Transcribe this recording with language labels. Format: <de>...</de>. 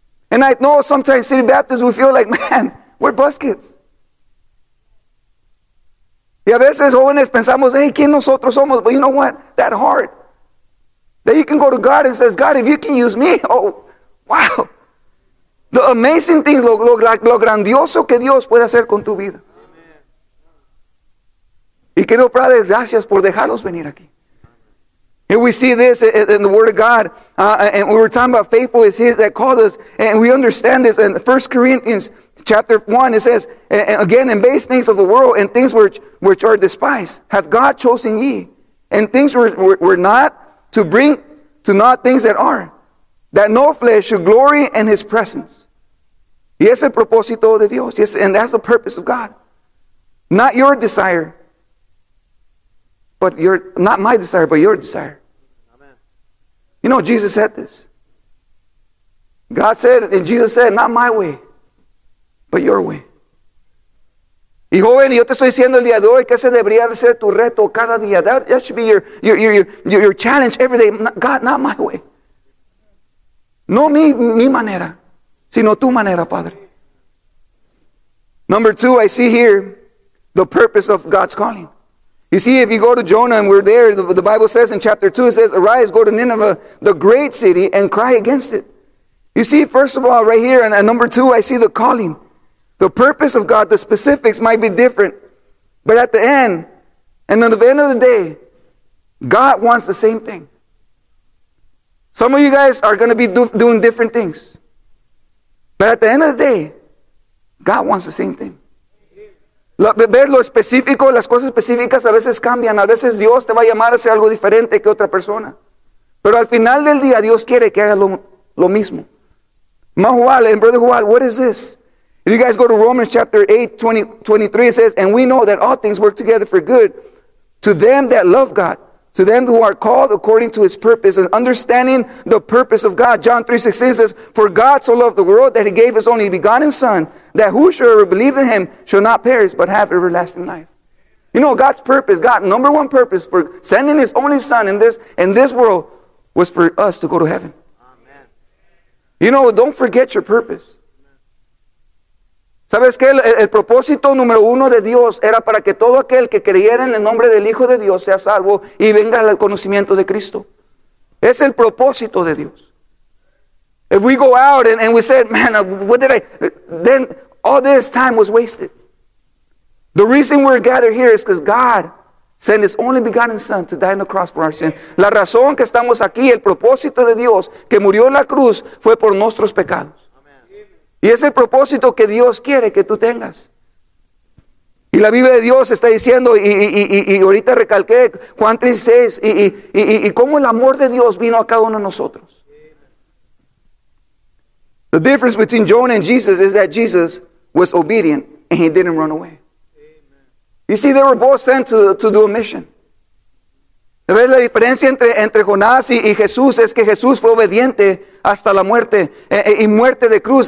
<en>And I know sometimes City Baptists, we feel like, man, we're buskets.</en> <es>Y a veces jóvenes pensamos, hey, ¿quién nosotros somos?</es> <en>But you know what? That heart. That you can go to God and says, God, if you can use me, oh, wow. The amazing things,</en> <es>lo grandioso que Dios puede hacer con tu vida. Y quiero darles gracias por dejarlos venir aquí.</es> <en>And we see this in the Word of God. And we were talking about faithful is He that called us. And we understand this in 1 Corinthians chapter 1. It says, and again, in base things of the world and things which are despised, hath God chosen ye. And things were not to bring to naught things that are, that no flesh should glory in His presence.</en> <es>Y ese propósito de Dios.</es> <en>Yes, and that's the purpose of God. Not your desire. But your, not my desire, but your desire. Amen. You know, Jesus said this. God said, and Jesus said, not my way, but your way.</en> <es>Y joven, yo te estoy diciendo el día de hoy que ese debería ser tu reto cada día.</es> <en>That should be your challenge every day. God, not my way.</en> <es>No mi manera, sino tu manera, Padre.</es> <en>Number two, I see here the purpose of God's calling. You see, if you go to Jonah and we're there, the Bible says in chapter 2, it says, arise, go to Nineveh, the great city, and cry against it. You see, first of all, right here, and number 2, I see the calling. The purpose of God, the specifics might be different. But at the end, and at the end of the day, God wants the same thing. Some of you guys are going to be doing different things. But at the end of the day, God wants the same thing.</en> <es>Ver lo específico, las cosas específicas a veces cambian. A veces Dios te va a llamar a hacer algo diferente que otra persona. Pero al final del día, Dios quiere que hagas lo mismo.</es> <en>Mahual, and Brother Juan, what is this? If you guys go to Romans chapter 8, 23, it says, and we know that all things work together for good to them that love God, to them who are called according to His purpose, and understanding the purpose of God. John 3:16 says, for God so loved the world that He gave His only begotten Son, that whosoever believes in Him shall not perish, but have everlasting life. You know, God's purpose, God's number one purpose for sending His only Son in this world was for us to go to heaven. Amen. You know, don't forget your purpose.</en> <es>¿Sabes qué? El propósito número uno de Dios era para que todo aquel que creyera en el nombre del Hijo de Dios sea salvo y venga al conocimiento de Cristo. Es el propósito de Dios.</es> <en>If we go out and we said, man, what did I... Then all this time was wasted. The reason we're gathered here is because God sent His only begotten Son to die on the cross for our sins.</en> <es>La razón que estamos aquí, el propósito de Dios que murió en la cruz fue por nuestros pecados. Y es el propósito que Dios quiere que tú tengas. Y la Biblia de Dios está diciendo, y ahorita recalqué Juan 3:6, y cómo el amor de Dios vino a cada uno de nosotros.</es> <en>The difference between Jonah and Jesus is that Jesus was obedient and He didn't run away. You see, they were both sent to do a mission.</en> <es>¿Ves la diferencia entre Jonás y Jesús? Es que Jesús fue obediente hasta la muerte, y muerte de cruz.</es>